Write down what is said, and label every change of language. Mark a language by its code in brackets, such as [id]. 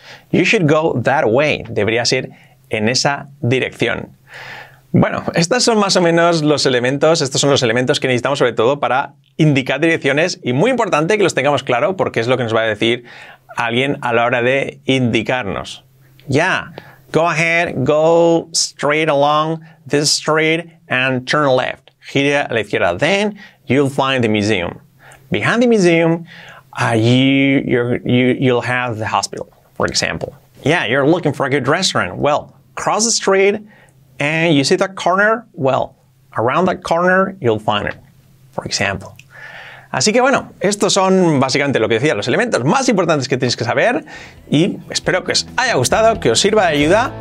[en] You should go that way. [es] Deberías ir en esa dirección. Bueno, estos son más o menos los elementos. Estos son los elementos que necesitamos sobre todo para indicar direcciones. Y muy importante que los tengamos claro porque es lo que nos va a decir alguien a la hora de indicarnos. [en] Yeah, go ahead, go straight along this street and turn left. [es] Gire a la izquierda. [en] Then you'll find the museum. Behind the museum, you'll have the hospital, for example. Yeah, you're looking for a good restaurant. Well, cross the street and you see that corner? Well, around that corner, you'll find it, for example. [es] Así que bueno, estos son básicamente lo que decía, los elementos más importantes que tenéis que saber y espero que os haya gustado, que os sirva de ayuda.